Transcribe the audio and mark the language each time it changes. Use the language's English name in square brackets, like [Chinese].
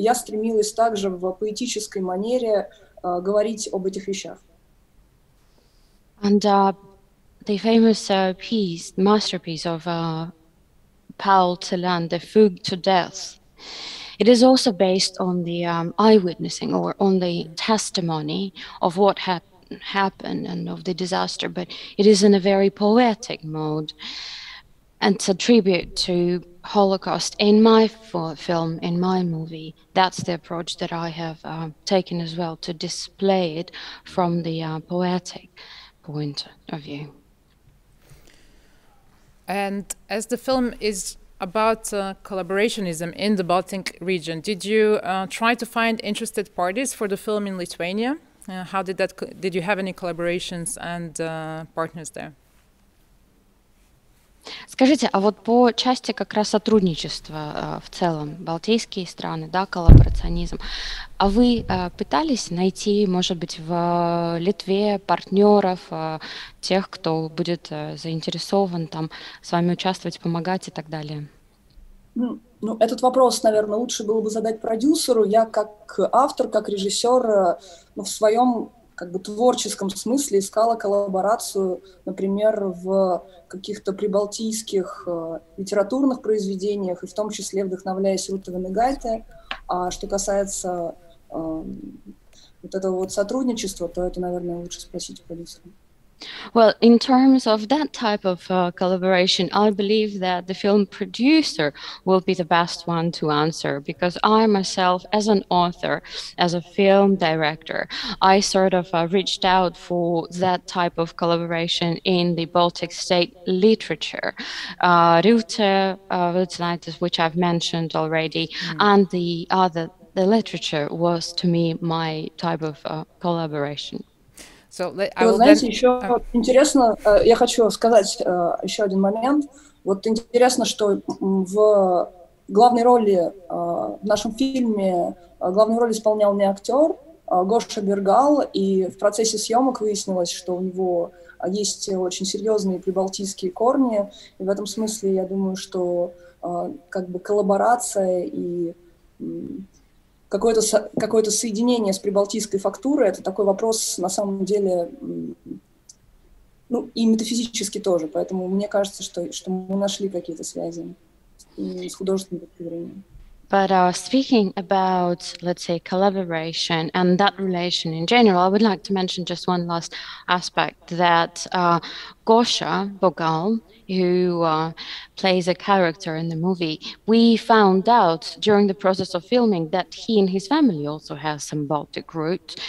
[Russian] Я стремилась также в поэтической манере говорить об этих вещах. [English] And the famous piece, masterpiece of Paul Celan, The Fugue to Death, it is also based on the eyewitnessing or on the testimony of what happened and of the disaster, but it is in a very poetic mode. And it's a tribute to Holocaust in my film, in my movie. That's the approach that I have taken as well, to display it from the poetic point of view. And as the film is about collaborationism in the Baltic region, did you try to find interested parties for the film in Lithuania? How did that, did you have any collaborations and partners there? [Russian] Скажите, а вот по части как раз сотрудничества в целом, балтийские страны, да, коллаборационизм, а вы пытались найти, может быть, в Литве партнеров, тех, кто будет заинтересован там с вами участвовать, помогать и так далее? Ну, этот вопрос, наверное, лучше было бы задать продюсеру. Я как автор, как режиссер, ну, в своем как бы творческом смысле искала коллаборацию, например, в каких-то прибалтийских литературных произведениях, и в том числе вдохновляясь Рутовым и Гайте. А что касается вот этого вот сотрудничества, то это, наверное, лучше спросить продюсера. [English] Well, in terms of that type of collaboration, I believe that the film producer will be the best one to answer, because I myself, as an author, as a film director, I sort of reached out for that type of collaboration in the Baltic state literature. Rute, which I've mentioned already, and the other, the literature was to me my type of collaboration. [Russian] Вы знаете, еще интересно, я хочу сказать еще один момент. Вот интересно, что в главной роли в нашем фильме главную роль исполнял не актер, Гоша Бергал, и в процессе съемок выяснилось, что у него есть очень серьезные прибалтийские корни, и в этом смысле я думаю, что как бы коллаборация и какое-то соединение с прибалтийской фактурой — это такой вопрос, на самом деле, ну, и метафизически тоже. Поэтому мне кажется, что мы нашли какие-то связи с художественной точки зрения. [English] But speaking about, let's say, collaboration and that relation in general, I would like to mention just one last aspect, that Gosha Bogal, who plays a character in the movie, we found out during the process of filming that he and his family also have some Baltic roots.